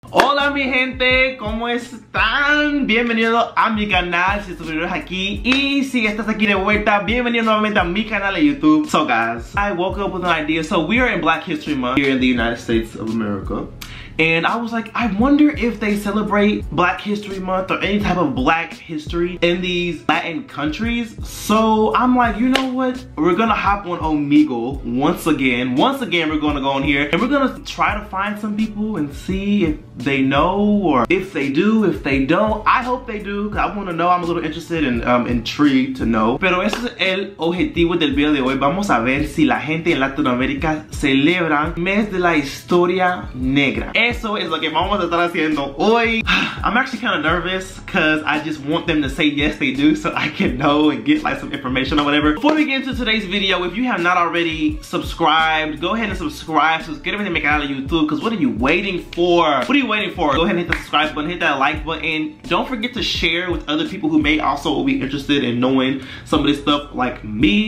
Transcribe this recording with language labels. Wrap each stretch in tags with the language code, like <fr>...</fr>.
<es>Hola mi gente, ¿cómo están? Bienvenido a mi canal, si estuvieras aquí. Y si estás aquí de vuelta, bienvenido nuevamente a mi canal de YouTube.</es> <en>So guys, I woke up with an idea. So we are in Black History Month here in the United States of America. And I was like, I wonder if they celebrate Black History Month or any type of Black history in these Latin countries. So I'm like, you know what? We're gonna hop on Omegle once again. Once again, we're gonna go on here and we're gonna try to find some people and see if they know or if they do, if they don't. I hope they do, because I wanna know. I'm a little interested and intrigued to know.</en> <es>Pero ese es el objetivo del video de hoy. Vamos a ver si la gente en Latinoamérica celebra mes de la historia negra. Eso es lo que vamos a estar haciendo hoy.</es> <en>I'm actually kind of nervous because I just want them to say yes, they do, so I can know and get like some information or whatever. Before we get into today's video, if you have not already subscribed, go ahead and subscribe.</en> <es>Suscríbete a mi canal de YouTube,</es> <en>because what are you waiting for? What are you waiting for? Go ahead and hit the subscribe button, hit that like button. Don't forget to share with other people who may also be interested in knowing some of this stuff like me.</en>